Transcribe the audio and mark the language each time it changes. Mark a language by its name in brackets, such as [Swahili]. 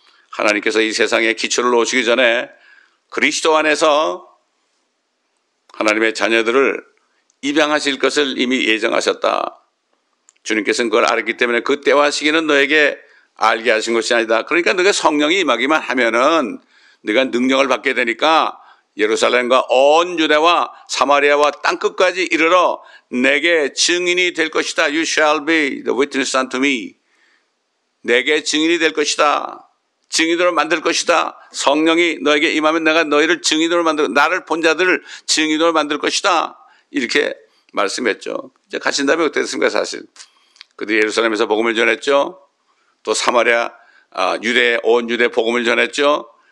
[Korean] 하나님께서 이 세상에 기초를 놓으시기 전에 그리스도 안에서 하나님의 자녀들을 입양하실 것을 이미 예정하셨다. 주님께서는 그걸 알았기 때문에 그 때와 시기는 너에게 알게 하신 것이 아니다. 그러니까 너가 성령이 임하기만 하면은 네가 능력을 받게 되니까 예루살렘과 온 유대와 사마리아와 땅끝까지 이르러 내게 증인이 될 것이다. [English] You shall be the witness unto me. [Korean] 내게 증인이 될 것이다. 증인으로 만들 것이다. 성령이 너에게 임하면 내가 너희를 증인으로 만들, 나를 본 자들을 증인으로 만들 것이다. 이렇게 말씀했죠. 이제 가신 다음에 어떻게 됐습니까, 사실. 그들이 예루살렘에서 복음을 전했죠. 또 사마리아, 온 유대 복음을 전했죠.